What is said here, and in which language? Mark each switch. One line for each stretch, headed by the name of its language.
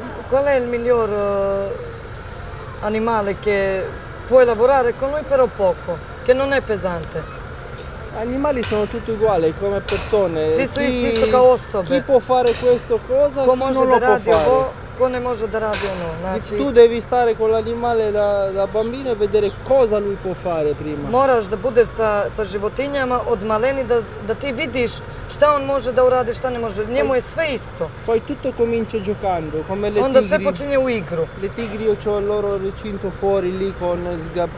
Italian: Qual è il miglior animale che puoi lavorare con lui però poco, che non è pesante? Animali sono tutti uguali come persone.
Serbian: Svi su isti isto kao osobe.
Italian: Chi può fare questo cosa, chi non lo può fare.
Serbian: Ko ne može da radi ono. Znači,
Italian: tu devi stare con l'animale da bambino e vedere cosa lui può fare prima.
Serbian: Moraš da budeš sa životinjama od maleni da ti vidiš šta on može da uradi, šta ne može. Njemu je sve isto.
Italian: Poi tutto comincia giocando, come le
Serbian: onda
Italian: tigri.
Serbian: Sve počinje u igru.
Italian: Le tigri io c'ho il loro recinto fuori lì con sgab.